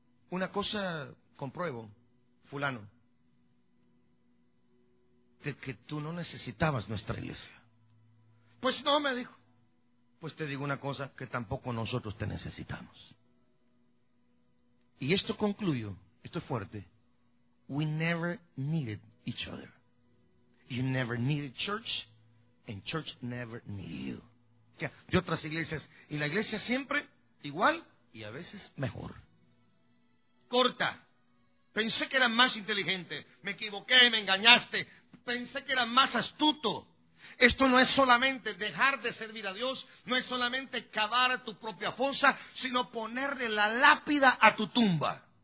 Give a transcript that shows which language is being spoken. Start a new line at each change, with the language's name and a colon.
Spanish: Una cosa compruebo, fulano. De que tú no necesitabas nuestra iglesia. Pues no, me dijo. Pues te digo una cosa, que tampoco nosotros te necesitamos. Y esto concluyo, esto es fuerte.
English: We never needed each other. You never needed church, and church never needed you.
Spanish: O sea, de otras iglesias. Y la iglesia siempre igual y a veces mejor. Corta. Pensé que era más inteligente. Me equivoqué, me engañaste. Pensé que era más astuto. Esto no es solamente dejar de servir a Dios, no es solamente cavar tu propia fosa, sino ponerle la lápida a tu tumba.